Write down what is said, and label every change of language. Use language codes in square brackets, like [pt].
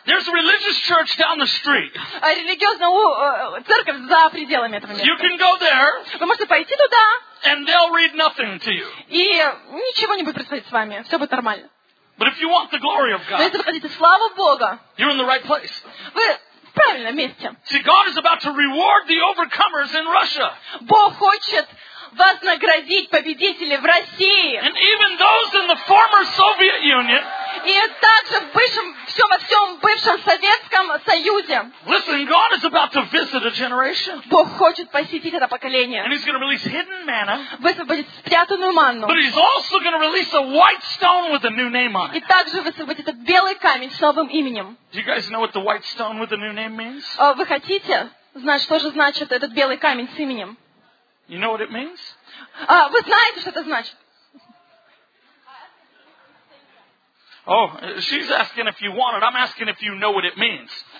[en] there's a religious church down the street. [ru] Религиозная церковь за пределами этого места. [en] You can go there. [ru] Вы можете пойти туда. [en] And they'll read nothing to you. [ru] И ничего не будет происходить с вами. Все будет нормально. [en] But if you want the glory of God, [ru] но если вы хотите славу Бога, [en] you're in the right place. [ru] Вы в правильном месте. [en] See, God is about to reward the overcomers in Russia. [ru] Бог хочет вознаградить победителей в России. [en] And even those in the former Soviet Union. [ru] И также в бывшем, всем бывшем Советском Союзе. [en] Listen, God is about to visit a generation. [ru] Бог хочет посетить это поколение. [en] And He's going to release hidden manna. [ru] Высвободит спрятанную манну. [en] But He's also going to release a white stone with a new name on it. [ru] И также высвободит этот белый камень с новым именем. [en] Do you guys know what the white stone with a new name means? [ru] Вы хотите знать, что же значит этот белый камень с именем? [en] You know what it means? [ru] Вы знаете, что это значит? [en] Oh, she's asking if you want it. I'm asking if you know what it means.